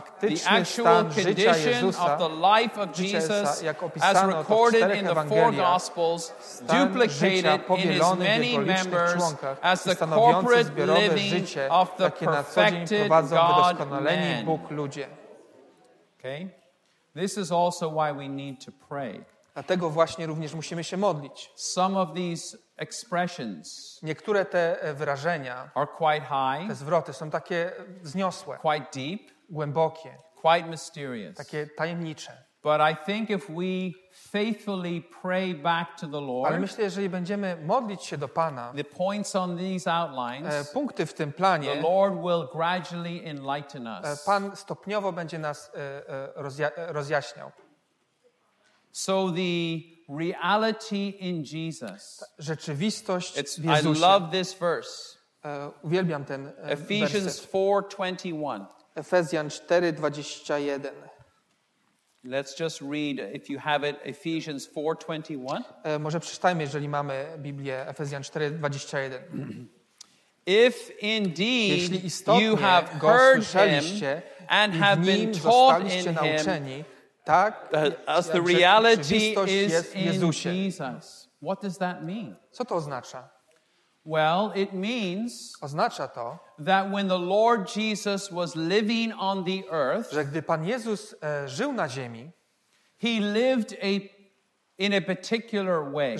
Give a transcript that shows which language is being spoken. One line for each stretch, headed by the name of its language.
English: The actual condition of the life of Jesus as recorded in the four Gospels, duplicated in his many members as the corporate living of the perfected God-man. Okay? This is also why we need to pray.
Polish: Dlatego właśnie również musimy się modlić.
English: Some of these expressions
Polish: niektóre te wyrażenia,
English: are quite high,
Polish: te zwroty są takie wzniosłe,
English: quite deep,
Polish: głębokie,
English: quite mysterious,
Polish: takie tajemnicze.
English: But I think if we faithfully pray back to the Lord,
Polish: ale myślę, jeżeli będziemy modlić się do Pana,
English: the points on these outlines,
Polish: punkty w tym planie,
English: the Lord will gradually enlighten us.
Polish: Pan stopniowo będzie nas rozjaśniał.
English: So the reality in Jesus.
Polish: Rzeczywistość w Jezusie.
English: I love this verse.
Polish: Uwielbiam ten werset. Efezjan 4:21.
English: Let's just read if you have it Efezjan 4:21.
Polish: Może przeczytajmy, jeżeli mamy Biblię Efezjan 4:21.
English: If indeed you have heard him and have been taught in him.
Polish: Tak,
English: as the reality is in Jesus. What does that mean?
Polish: Co to oznacza?
English: Well, it means
Polish: oznacza to,
English: that when the Lord Jesus was living on the earth,
Polish: że gdy Pan Jezus żył na ziemi,
English: he lived in a particular way.